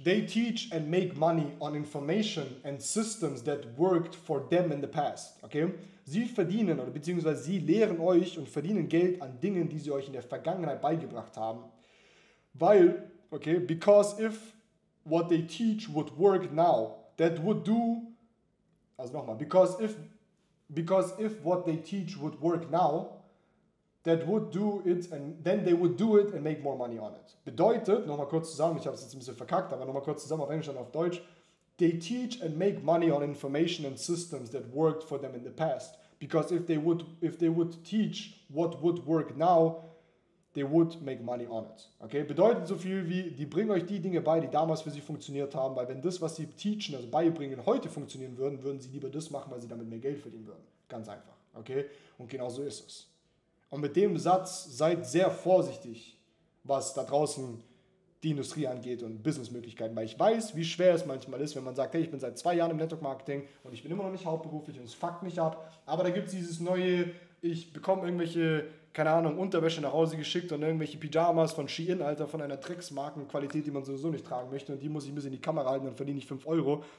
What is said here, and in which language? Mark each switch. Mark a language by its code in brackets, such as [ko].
[en] They teach and make money on information and systems that worked for them in the past. Okay. [de] Sie verdienen oder beziehungsweise sie lehren euch und verdienen Geld an Dingen, die sie euch in der Vergangenheit beigebracht haben. [en] Weil, okay, because if what they teach would work now, that would do, [de] also nochmal, [en] because if what they teach would work now, that would do it and then they would do it and make more money on it. [de] Bedeutet, nochmal kurz zusammen, ich habe es jetzt ein bisschen verkackt, aber nochmal kurz zusammen auf Englisch und auf Deutsch. [en] They teach and make money on information and systems that worked for them in the past. Because if they would teach what would work now, they would make money on it. [de] Okay, bedeutet so viel wie, die bringen euch die Dinge bei, die damals für sie funktioniert haben, weil wenn das, was sie teachen, also beibringen, heute funktionieren würden, würden sie lieber das machen, weil sie damit mehr Geld verdienen würden. Ganz einfach. Okay, und genau so ist es. Und mit dem Satz, seid sehr vorsichtig, was da draußen die Industrie angeht und Businessmöglichkeiten, weil ich weiß, wie schwer es manchmal ist, wenn man sagt, hey, ich bin seit 2 Jahren im Network-Marketing und ich bin immer noch nicht hauptberuflich und es fuckt mich ab, aber da gibt es dieses neue, ich bekomme irgendwelche, keine Ahnung, Unterwäsche nach Hause geschickt und irgendwelche Pyjamas von Shein, Alter, von einer Drecksmarkenqualität, die man sowieso nicht tragen möchte und die muss ich ein bisschen in die Kamera halten, dann verdiene ich 5 Euro.